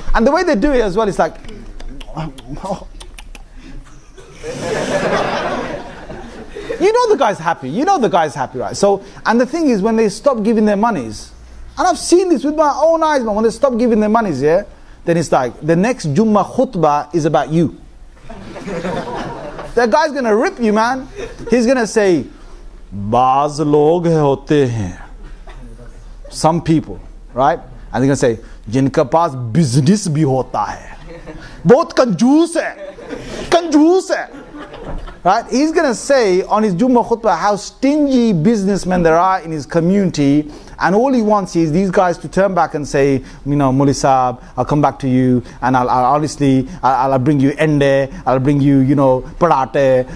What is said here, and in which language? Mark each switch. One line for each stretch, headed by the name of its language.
English: And the way they do it as well, it's like, you know the guy's happy. You know the guy's happy, right? So, and the thing is, when they stop giving their monies, and I've seen this with my own eyes, man, when they stop giving their monies, yeah, then it's like, the next Jummah khutbah is about you. That guy's going to rip you, man.
Hindi: He's going to say, बाज़ लोग होते हैं.
English: Some people, right? And they're going to say,
Hindi: जिनका पास business भी होता है. बहुत कंजूस है. कंजूस है.
English: Right? He's going to say on his Jummah khutbah how stingy businessmen there are in his community. And all he wants is these guys to turn back and say, you know, Muli Saab, I'll come back to you. And I'll honestly bring you ende. I'll bring you, you know, parate.